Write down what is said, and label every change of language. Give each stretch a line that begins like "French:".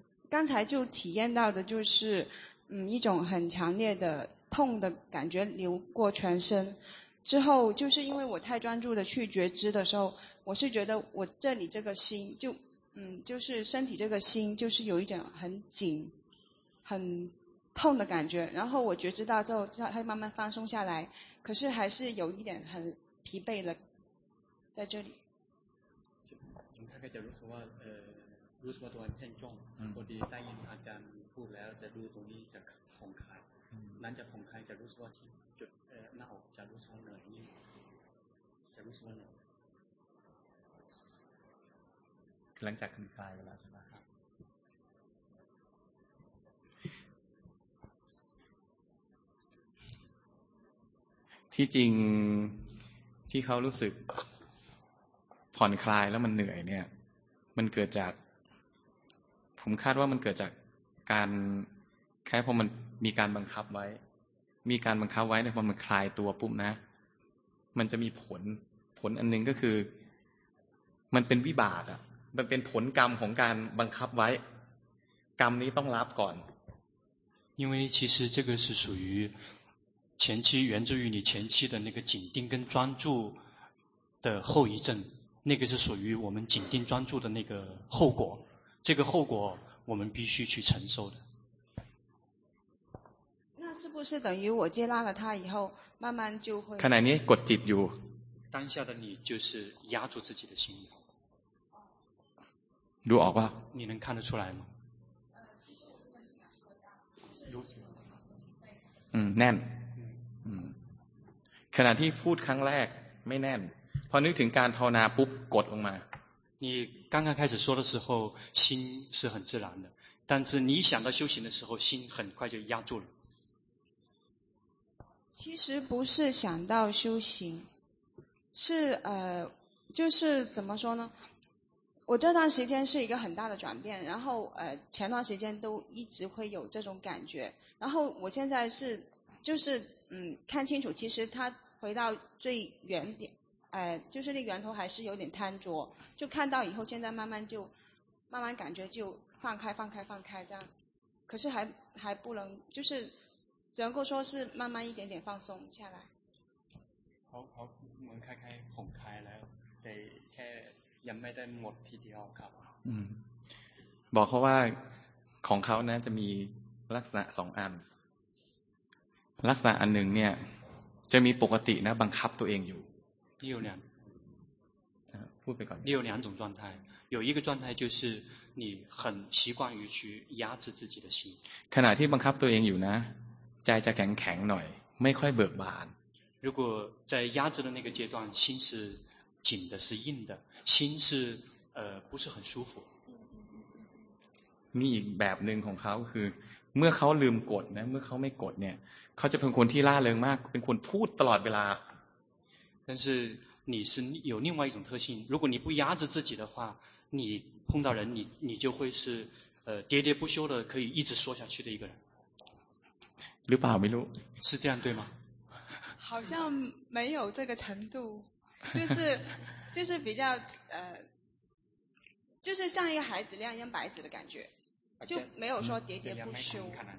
Chinese: 刚才就体验到的就是一种很强烈的痛的感觉流过全身之后就是因为我太专注的去觉知的时候我是觉得我这里这个心就是身体这个心就是有一种很紧很痛的感觉然后我觉知到之后它慢慢放松下来可是还是有一点很疲惫了在这里我们大概就如说如说多很重或者答应他这样不来的路中间就很开
Thai: หลังจากผ่อนคลายจะรู้สึกว่าที่จุดหน้าอกจะรู้สึกว่าเหนื่อยจะรู้สึกว่าเหนื่อย หลังจากผ่อนคลายเวลาใช่ไหม ครับ ที่จริงที่เขารู้สึกผ่อนคลายแล้วมันเหนื่อยเนี่ยมันเกิดจากผมคาดว่ามันเกิดจากการแค่พอมันมีการบังคับไว้มีการบังคับไว้ในพอมันคลายตัวปุ๊บนะมันจะมีผลผลอันนึงก็คือมันเป็นวิบากอ่ะมันเป็นผลกรรมของการบังคับไว้กรรมนี้ต้องรับก่อน
Chinese: 因为其实这个是属于前期源自于你前期的那个紧盯跟专注的后遗症那个是属于我们紧盯专注的那个后果这个后果我们必须去承受的是不是等于我接纳了他以后慢慢就会看来你
Thai: กดจิตอยู่
Chinese: 当下的你就是压住自己的心意
Thai: รู้ออกป่ะ
Chinese: 你能看得出来吗
Thai: แน่นขณะที่พูดครั้งแรกไม่แน่นพอนึกถึงการภาวนาปุ๊บกดลงมา
Chinese: 你刚刚开始说的时候心是很自然的但是你想到修行的时候心很快就压住了其实不是想到修行是就是怎么说呢我这段时间是一个很大的转变然后前段时间都一直会有这种感觉然后我现在是就是看清楚其实他回到最原点就是那源头还是有点贪着就看到以后现在慢慢就慢慢感觉就放开放开放开这样可是还不能就是只能够说是慢慢一点点放松下来。好好，我们开开哄开了，得开，还没在摸ทีเดียว ครับ。
Thai: บอกเขาว่าของเขานะจะมีลักษณะสองอันลักษณะอันหนึ่งเนี่ยจะมีปกตินะบังคับตัวเองอยู่
Chinese: 你有两
Thai: พูดไปก่อน
Chinese: 你有两种状态有一个状态就是你很习惯于去压制自己的心
Thai: ขณะที่บังคับตัวเองอยู่นะใจจะแข็งแข็งหน่อยไม่ค่อยเบิกบาน
Chinese: 如果在压制的那个阶段心是紧的是硬的心是不是很舒服
Thai: มีอีกแบบหนึ่งของเขาคือเมื่อเขาลืมกดนะเมื่อเขาไม่กดเนี่ยเขาจะเป็นคนที่ร่าเริงมากเป็นคนพูดตลอดเวลา
Chinese: 但是你是有另外一种特性如果你不压制自己的话你碰到人你就会是喋喋不休的可以一直说下去的一个人
Thai: หรือเปล่าไม่รู้
Chinese: 是这样对吗好像没有这个程度就是比较就是像一个孩子亮样白纸的感觉就没有说喋喋不休